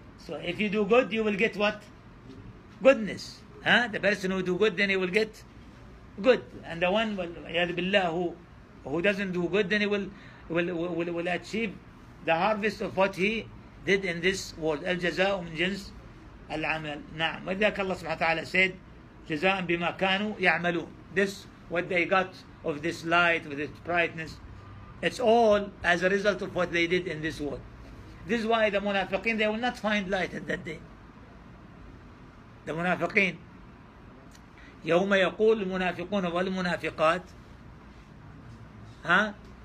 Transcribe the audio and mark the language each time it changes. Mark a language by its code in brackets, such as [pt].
[en] So if you do good, you will get what? Goodness. The person who do good, then he will get good. And the one, yad billah, who doesn't do good, then he will achieve the harvest of what he did in this world. [ar] الجزاء من جنس العمل. نعم. وذلك الله سبحانه وتعالى [en] said [ar] جزاء بما كانوا يعملون. [en] This, what they got of this light, of this brightness, it's all as a result of what they did in this world. This is why the munafiqeen, they will not find light at that day. The munafiqeen. [ar] يَوْمَ يَقُولُ الْمُنَافِقُونَ وَالْمُنَافِقَاتِ ha?